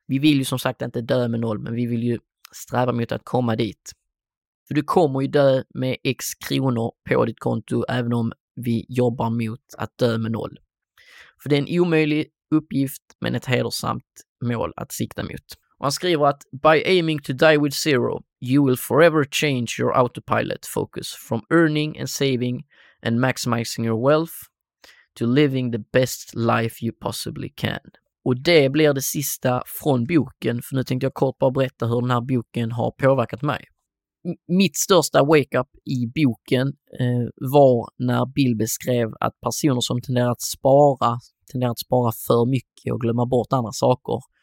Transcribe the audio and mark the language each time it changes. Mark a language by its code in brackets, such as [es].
[sv] Vi vill ju som sagt inte dö med noll, men vi vill ju sträva mot att komma dit. För du kommer ju dö med x kronor på ditt konto, även om vi jobbar mot att dö med noll. För det är en omöjlig uppgift, men ett hedersamt mål att sikta mot. Och han skriver att [en] by aiming to die with zero, you will forever change your autopilot focus from earning and saving and maximizing your wealth to living the best life you possibly can. [sv] Och det blir det sista från boken, för nu tänkte jag kort bara berätta hur den här boken har påverkat mig. Mitt största wake-up i boken var när Bill beskrev att personer som tenderar att spara för mycket och glömma bort andra saker.